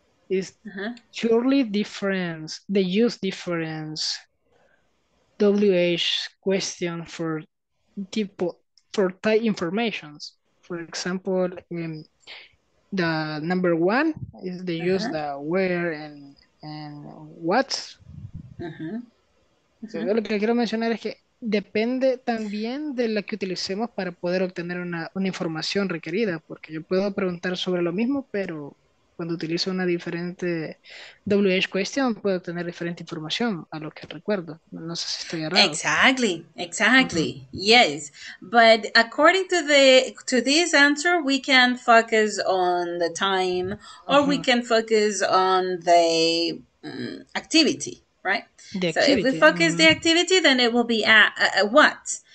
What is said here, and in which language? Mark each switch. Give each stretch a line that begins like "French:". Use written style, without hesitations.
English: It's surely difference, the use difference, WH question for tipo, for type informations. For example, the number one is they use the where and what.
Spanish: So, lo que quiero mencionar es que depende también de la que utilicemos para poder obtener una información requerida, porque yo puedo preguntar sobre lo mismo, pero cuando utilizo una diferente WH question, puedo obtener diferente información a lo que recuerdo. No sé si estoy errado.
English: Exactly. Mm-hmm. Yes. But according to this answer, we can focus on the time or we can focus on the activity. Right? So if we focus the activity, then it will be at what?